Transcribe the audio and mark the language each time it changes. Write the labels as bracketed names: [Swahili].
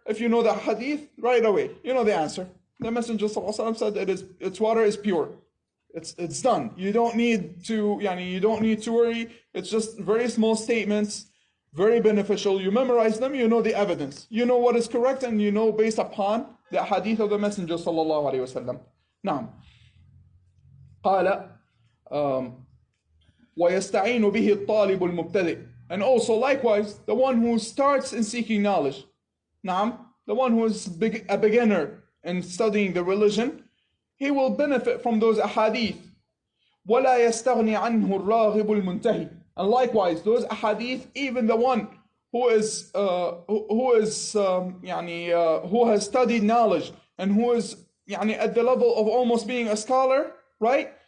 [English] If you know the hadith, right away, you know the answer. The Messenger sallallahu alaihi wasallam said that its water is pure. It's done. You don't need to, yani, you don't need to worry. It's just very small statements, very beneficial. You memorize them, you know the evidence. You know what is correct and you know based upon the hadith of the Messenger sallallahu alaihi wasallam. [Arabic] Naam. Qala, وَيَسْتَعِينُ بِهِ الطَّالِبُ الْمُبْتَدِئِ. [English] And also, likewise, the one who starts in seeking knowledge. Naam. The one who is a beginner in studying the religion, he will benefit from those ahadith. [Arabic] وَلَا يَسْتَغْنِ عَنْهُ الرَّاغِبُ الْمُنْتَهِي. [English] And likewise, those ahadith, even the one who has studied knowledge and who is يعني, at the level of almost being a scholar, right?